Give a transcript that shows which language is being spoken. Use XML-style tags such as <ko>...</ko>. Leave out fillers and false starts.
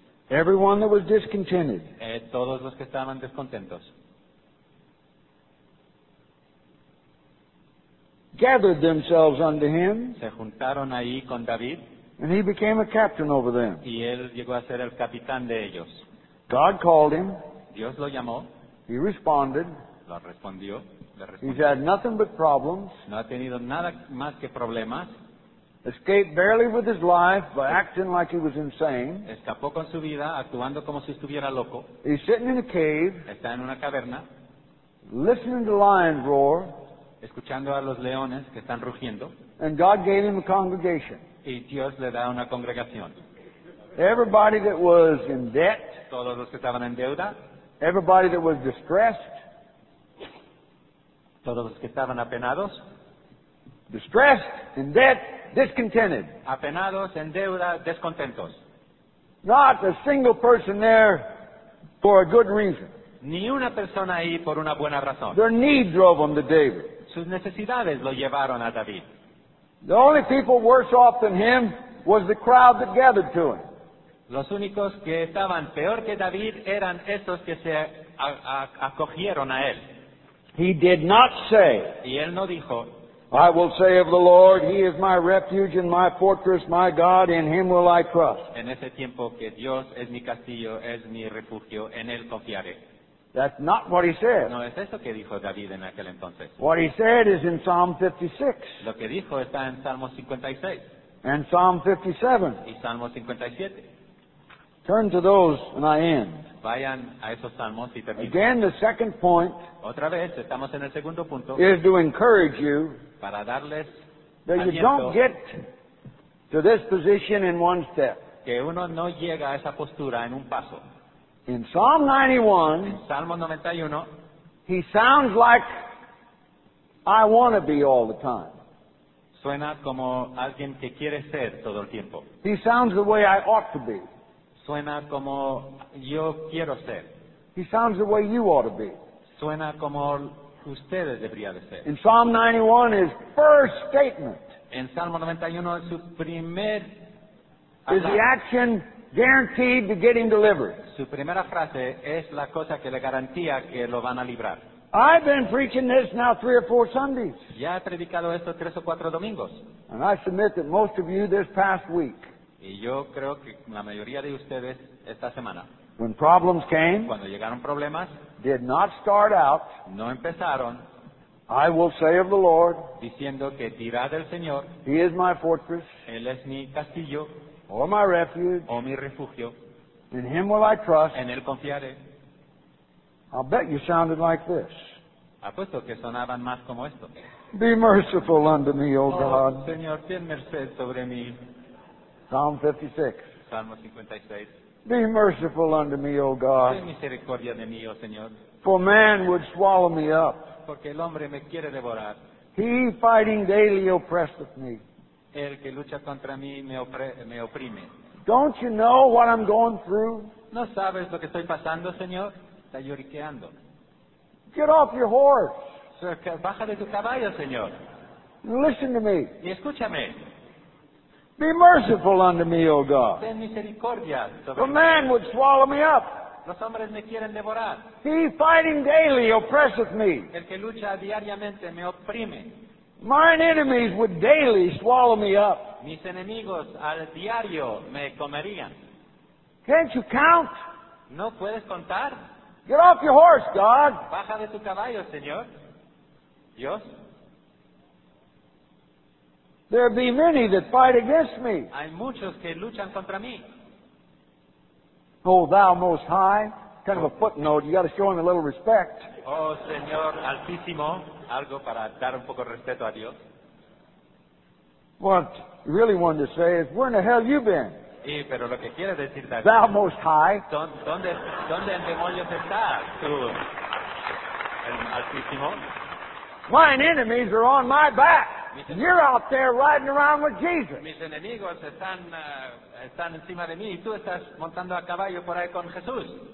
<en>everyone that was discontented.</en> <es>Todos los que estaban descontentos.</es> <en>Gathered themselves unto him.</en> <es>Se juntaron ahí con David.</es> <en>And he became a captain over them.</en> <es>Y él llegó a ser el capitán de ellos.</es> <en>God called him.</en> <es>Dios lo llamó.</es> <en>He responded.</en> <es>Lo respondió.</es> <en>He's had nothing but problems.</en> <es>No ha tenido nada más que problemas.</es> <en>Escaped barely with his life by acting like he was insane.</en> <es>Escapó con su vida actuando como si estuviera loco.</es> <en>He's sitting in a cave.</en> <es>Está en una caverna.</es> <en>Listening to lions roar.</en> <es>Escuchando a los leones que están rugiendo.</es> <en>And God gave him a congregation.</en> <es>Y Dios le da una congregación.</es> <en>Everybody that was in debt.</en> <es>Todos los que estaban en deuda.</es> <en>Everybody that was distressed.</en> <es>Todos los que estaban apenados.</es> <en>Distressed, in debt, discontented.</en> <es>Apenados, en deuda, descontentos.</es> <en>Not a single person there for a good reason.</en> <es>Ni una persona ahí por una buena razón.</es> <en>Their need drove them to David.</en> <es>Sus necesidades lo llevaron a David.</es> <en>The only people worse off than him was the crowd that gathered to him.</en> <es>Los únicos que estaban peor que David eran esos que se acogieron a él.</es> <en>He did not say,</en> <es>y él no dijo,</es> <en>I will say of the Lord, He is my refuge and my fortress, my God, in Him will I trust.</en> <es>En ese tiempo que Dios es mi castillo, es mi refugio, en Él confiaré.</es> <en>That's not what he said.</en> <es>No es eso que dijo David en aquel entonces.</es> <en>What he said is in Psalm 56.</en> <es>Lo que dijo está en Salmo 56.</es> <en>And Psalm 57.</en> <es>Y Salmo 57.</es> <en>Turn to those and I end.</en> <es>Vayan a esos salmos y terminen.</es> <en>Again, the second point.</en> <es>Otra vez, estamos en el segundo punto.</es> <en>Is to encourage you.</en> <es>Para darles aliento.</es> <en>That you don't get to this position in one step.</en> <es>Que uno no llega a esa postura en un paso.</es> <en>In Psalm 91,</en> <es>en Salmo 91,</es> <en>he sounds like I want to be all the time.</en> <es>Suena como alguien que quiere ser todo el tiempo.</es> <en>He sounds the way I ought to be.</en> <es>Suena como yo quiero ser.</es> <en>He sounds the way you ought to be.</en> <es>Suena como ustedes deberían de ser.</es> <en>In Psalm 91, his first statement.</en> <es>En Salmo 91, su primer</es> <en>is the action guaranteed to get him delivered.</en> <es>Su primera frase es la cosa que le garantía que lo van a librar.</es> <en>I've been preaching this now 3 or 4 Sundays.</en> <es>Ya he predicado esto 3 o 4 domingos.</es> <en>And I submit that most of you this past week.</en> <es>Y yo creo que la mayoría de ustedes esta semana.</es> <en>When problems came.</en> <es>Cuando llegaron problemas.</es> <en>Did not start out.</en> <es>No empezaron.</es> <en>I will say of the Lord.</en> <es>Diciendo que dirá del Señor.</es> <en>He is my fortress.</en> <es>Él es mi castillo.</es> <en>Or my refuge.</en> <es>O mi refugio.</es> <en>In Him will I trust.</en> <es>En Él confiaré.</es> <en>I'll bet you sounded like this.</en> <es>Apuesto que sonaban más como esto.</es> <en>Be merciful unto me, O God.</en> <es>Señor, ten merced sobre mí.</es> <en>Psalm 56.</en> <es>Salmo 56.</es> <en>Be merciful unto me, O God.</en> <es>Ten misericordia de mí, O Señor.</es> <en>For man would swallow me up.</en> <es>Porque el hombre me quiere devorar.</es> <en>He fighting daily oppresseth me.</en> <es>El que lucha contra mí me oprime.</es> <en>Don't you know what I'm going through?</en> <es>¿No sabes lo que estoy pasando, Señor? Está lloriqueando.</es> <en>Get off your horse.</en> <es>Baja de tu caballo, Señor.</es> <en>Listen to me.</en> <es>Y escúchame.</es> <en>Be merciful unto me, O God.</en> <es>Ten misericordia sobre</es> <en>the man</en> <es>mí.</es> <en>Would swallow me up.</en> <es>Los hombres me quieren devorar.</es> <en>He fighting daily oppresseth me.</en> <es>El que lucha diariamente me oprime.</es> <en>Mine enemies would daily swallow me up.</en> <es>Mis enemigos al diario me comerían.</es> <en>Can't you count?</en> <es>¿No puedes contar?</es> <en>Get off your horse, God.</en> <es>Baja de tu caballo, Señor. Dios.</es> <en>There be many that fight against me.</en> <es>Hay muchos que luchan contra mí.</es> <en>Oh, thou most high. Kind of a footnote. You got to show him a little respect.</en> <es>Oh, Señor Altísimo. Algo para dar un poco de respeto a Dios.</es> <en>What you really wanted to say is, where in the hell you been?</en> <es>Y, pero lo que quiere decir David,</es> <en>thou most high.</en> <es>¿Dónde en demonios estás tú, el Altísimo?</es> <en>Mine enemies are on my back. You're out there riding around with Jesus.</en> <es>Mis enemigos están encima de mí y tú estás montando a caballo por ahí con Jesús.</es>